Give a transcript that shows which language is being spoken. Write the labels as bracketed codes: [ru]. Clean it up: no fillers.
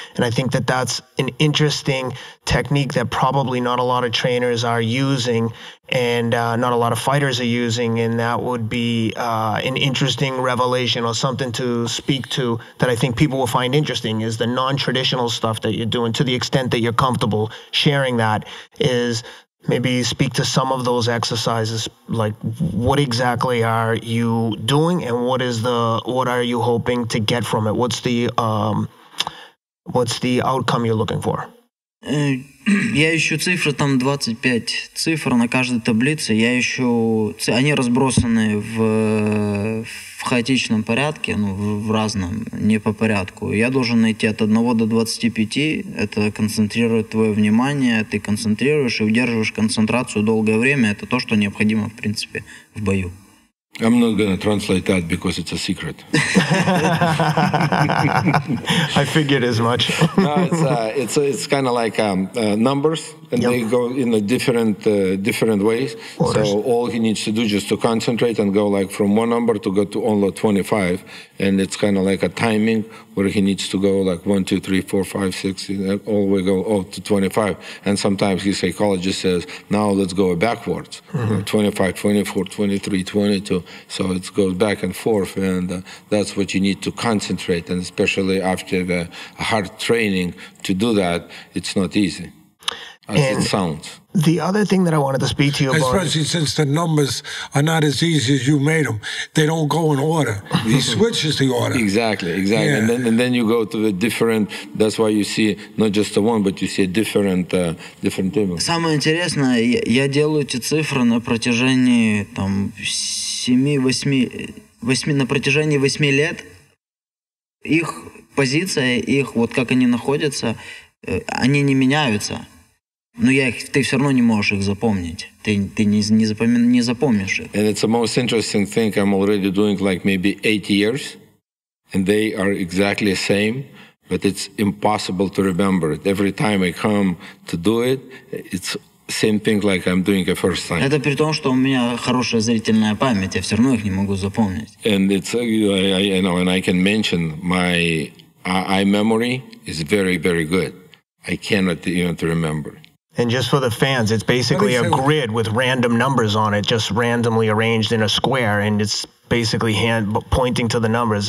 [en] And I think that that's an interesting technique that probably not a lot of trainers are using and not a lot of fighters are using, and that would be an interesting revelation or something to speak to that I think people will find interesting is the non-traditional stuff that you're doing to the extent that you're comfortable sharing that is maybe speak to some of those exercises, like what exactly are you doing and what are you hoping to get from it? What's the outcome you're looking for? [ru] Я ищу цифры, там 25 цифр на каждой таблице. Я ищу, они разбросаны в хаотичном порядке, ну, в разном, не по порядку. Я должен найти от 1 до 25, это концентрирует твое внимание, ты концентрируешь и удерживаешь концентрацию долгое время. Это то, что необходимо, в принципе, в бою. [en] I'm not going to translate that because it's a secret. I figured as much. it's kind of like numbers, and yep. They go in a different ways. Orders. So all he needs to do just to concentrate and go like from one number to go to only 25, and it's kind of like a timing where he needs to go like 1, 2, 3, 4, 5, 6, all the way go to 25. And sometimes his psychologist says, now let's go backwards, mm-hmm. 25, 24, 23, 22. So it goes back and forth, and that's what you need to concentrate, and especially after the hard training to do that, it's not easy, as and it sounds. The other thing that I wanted to speak to you about... Especially since the numbers are not as easy as you made them. They don't go in order. He switches the order. Exactly. Yeah. And then you go to the different... That's why you see not just the one, but you see a different table. [ru] Самое интересное, я делаю эти цифры на протяжении там 7-8... На протяжении 8 лет их позиция, их вот как они находятся, они не меняются. Но ты все равно не можешь их запомнить. Ты не запомнишь это. [en] And it's the most interesting thing. I'm already doing like maybe 8 years, and they are exactly the same, but it's impossible to remember it. Every time I come to do it, it's same thing like I'm doing the first time. [ru] Это при том, что у меня хорошая зрительная память, я все равно их не могу запомнить. [en] And it's, I can mention my eye memory is very, very good. I cannot even remember. And just for the fans, it's basically a grid with random numbers on it, just randomly arranged in a square, and it's basically hand pointing to the numbers.